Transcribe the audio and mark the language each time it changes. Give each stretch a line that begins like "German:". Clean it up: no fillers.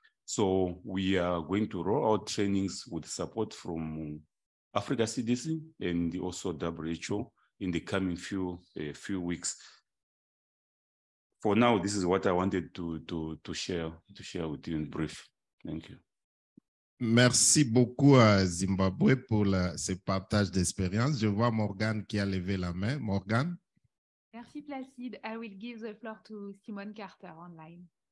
English: So we are going to roll out trainings with support from Africa CDC and also WHO in the coming few weeks. For now, this is what I wanted to share with you in brief. Thank you.
French: Merci beaucoup à Zimbabwe pour ce partage d'expérience. Je vois Morgane qui a levé la main. Morgane. Merci Placide.
English: I will give the floor to Simone Carter online.